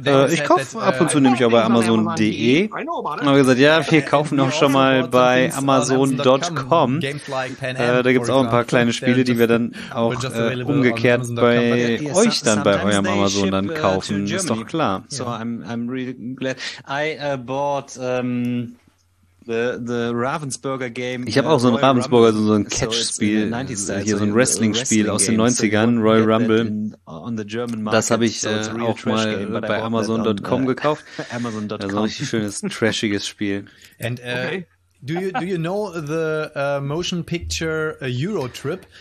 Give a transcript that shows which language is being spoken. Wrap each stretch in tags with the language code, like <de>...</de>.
<de>Ich kaufe ab und zu nämlich auch bei Amazon.de. Und habe gesagt, ja, wir kaufen auch schon mal bei Amazon.com. Da gibt es auch ein paar kleine Spiele, die wir dann auch umgekehrt bei euch dann bei eurem Amazon dann kaufen. Ist doch klar.</de> <en>So, I'm really glad. I bought the Ravensburger game.</en> <de>Ich habe auch so ein Ravensburger, so ein Catch-Spiel, so ein Wrestling-Spiel aus den 90ern, Royal Rumble. Das habe ich auch mal bei Amazon.com gekauft. Amazon.com. Ein schönes, trashiges Spiel.</de> <en>And, do you know the motion picture Eurotrip?</en>